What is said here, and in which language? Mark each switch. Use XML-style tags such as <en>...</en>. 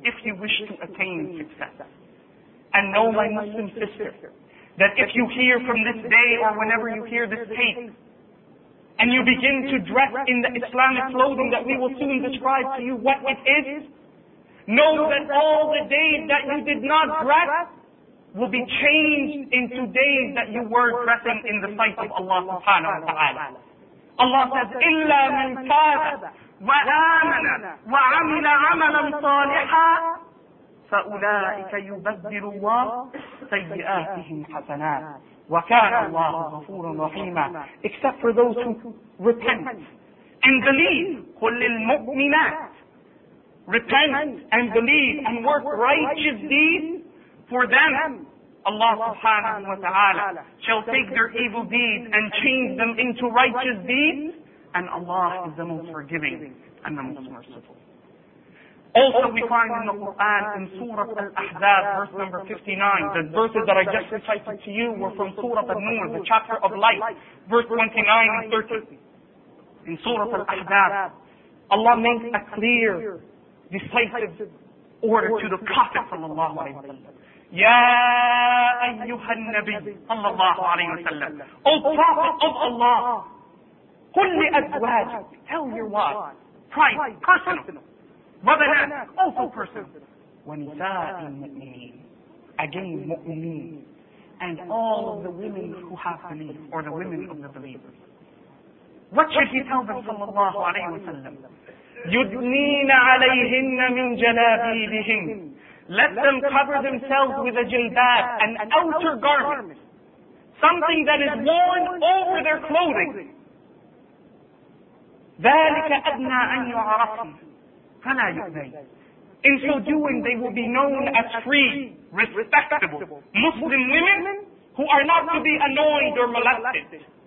<en>If you wish to attain success. And know, my Muslim sister, that if you hear from this day or whenever you hear this tape, and you begin to dress in the Islamic clothing that we will soon describe to you what it is, know that all the days that you did not dress will be changed into days that you were dressing in the sight of Allah subhanahu wa ta'ala.</en> <ar>Allah says, إِلَّا مَنْ تَابَ وَآمَنَ وَعَمِلَ عَمَلًا صَالِحًا فَأُولَٰئِكَ يُبَدِّلُ اللَّهُ سَيِّئَاتِهِمْ حَسَنَاتٍ وَكَانَ اللَّهُ غَفُورًا رَحِيمًا.</ar> <en>Except for those who repent and believe.</en> <ar>قُلْ لِلْمُؤْمِنَاتِ.</ar> <en>Repent and believe and work righteous deeds. For them, Allah subhanahu wa ta'ala shall take their evil deeds and change them into righteous deeds. And Allah is the most forgiving and the most merciful. Also we find in the Quran in Surah Al-Ahzab, verse number 59, the verses that I just recited to you were from Surah An-Nur, the chapter of light, verse 29 and 30. In Surah Al-Ahzab, Allah makes a clear, decisive order to the Prophet sallallahu alayhi wa sallam.</en> <ar>Ya ayyuhan nabi sallallahu alayhi wa sallam.</ar> <en>O Prophet of Allah,</en> <ar>قل لأزواج,</ar> <en>tell your wife, private, personal.</en> <ar>وبنات,</ar> <en>also personal.</en> <ar>ونساء المؤمنين,</ar> <en>again</en> <ar>مؤمنين.</ar> <en>And all of the women who have belief, or the women of the believers. What should he tell them,</en> <ar>صلى الله عليه وسلم? يدنين عليهن من جلابيبهن.</ar> <en>Let them cover themselves with a jilbab, an outer garment. Something that is worn over their clothing.</en> <ar>ذَلِكَ أَدْنَى أَنْ يُعَرَفْنَ فَلَا يُؤْذَيْنَ.</ar> <en>In so doing, they will be known as free, respectable Muslim women who are not to be annoyed or molested.</en>